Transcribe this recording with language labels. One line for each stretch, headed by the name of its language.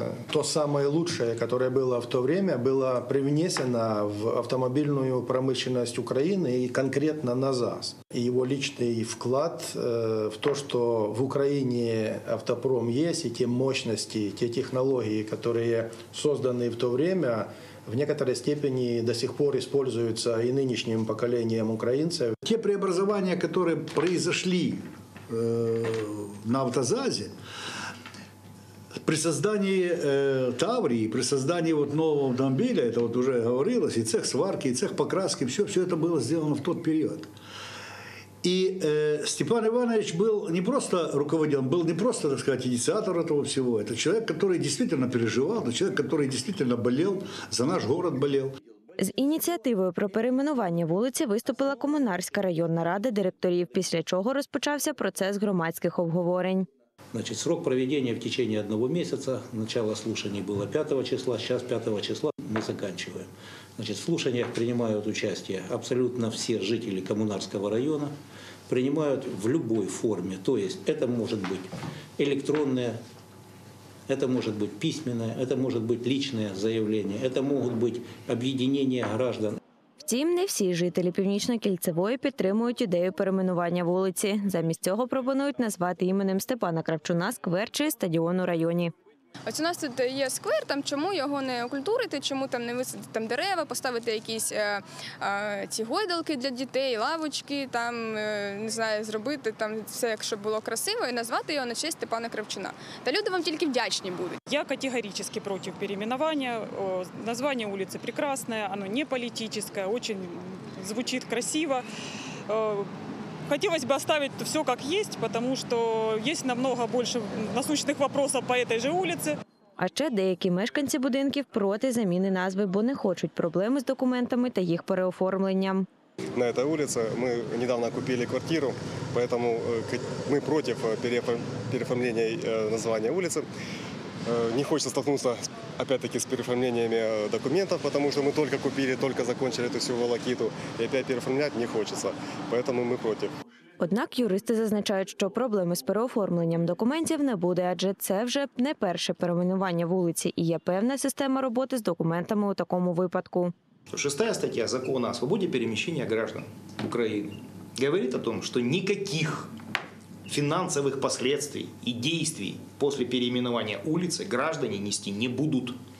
Russian: То самое лучшее, которое было в то время, было привнесено в автомобильную промышленность Украины и конкретно на ЗАЗ. И его личный вклад в то, что в Украине автопром есть, и те мощности, те технологии, которые созданы в то время, в некоторой степени до сих пор используются и нынешним поколением украинцев. Те преобразования, которые произошли на автозазе,
Ukrainian: при созданні Таврії, при созданні нового автомобіля, це от вже говорилось, і цех сварки, і цех покраски, все це було зроблено в той період. І Степан Іванович був не просто руководителем, був не просто, так сказати, ініціатором цього всього. Це чоловік, який дійсно переживав, чоловік, який дійсно болів, за наш город болів. З ініціативою про перейменування вулиці виступила Комунарська районна рада директорів, після чого розпочався процес громадських обговорень.
Russian: Значит, срок проведения в течение одного месяца, начало слушаний было 5 числа, сейчас 5 числа мы заканчиваем. Значит, в слушаниях принимают участие абсолютно все жители Комунарского района, принимают в любой форме, то есть это может быть электронное, это может быть письменное, это может быть личное заявление, это могут быть объединения граждан.
Ukrainian: Втім, не всі жителі Північно-Кільцевої підтримують ідею перейменування вулиці. Замість цього пропонують назвати іменем Степана Кравчуна сквер чи стадіон у районі. Ось у нас тут є сквер, там чому його не окультурити, чому там не висадити там дерева, поставити якісь ці гойдалки для дітей, лавочки, там, не знаю, зробити там все, якщо було красиво, і назвати його на честь Степана Кравчуна. Та люди вам тільки вдячні будуть. Я категорично проти перейменування. Названня вулиці прекрасне, воно не політичне, дуже звучить красиво.
Russian: Хотелось бы оставить все как есть, потому что есть намного больше насущных вопросов по этой же улице.
Ukrainian: А ще деякі мешканці будинків проти заміни назви, бо не хочуть проблеми з документами та їх переоформленням.
Russian: На этой улице мы недавно купили квартиру, поэтому мы против переоформления названия улицы. Не хочется столкнуться, опять-таки, с переоформлениями документов, потому что мы только купили, только закончили эту всю волокиту, и опять переоформлять не хочется. Поэтому мы против.
Ukrainian: Однак юристи зазначають, що проблеми з переоформленням документів не буде, адже це вже не перше перейменування вулиці і є певна система роботи з документами у такому випадку. Шеста стаття закону о свободі переміщення граждан України говорить о том, що ніяких фінансових последствий і действий після переіменування вулиці граждані нести не будуть.